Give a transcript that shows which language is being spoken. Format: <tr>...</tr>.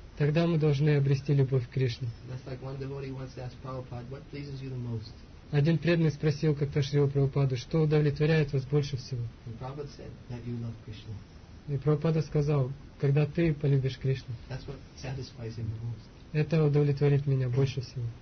<ru>Тогда мы должны обрести любовь к Кришне.</ru> <en>That's like one devotee once asked Prabhupada, what pleases you the most?</en> <ru>Один преданный спросил как-то Шрилу Прабхупаду, что удовлетворяет вас больше всего.</ru> <en>And Prabhupada said that you love Krishna.</en> <ru>И Прабхупада сказал, когда ты полюбишь Кришну.</ru> <en>That's what satisfies him the most.</en> <ru>Это удовлетворит меня больше всего.</ru>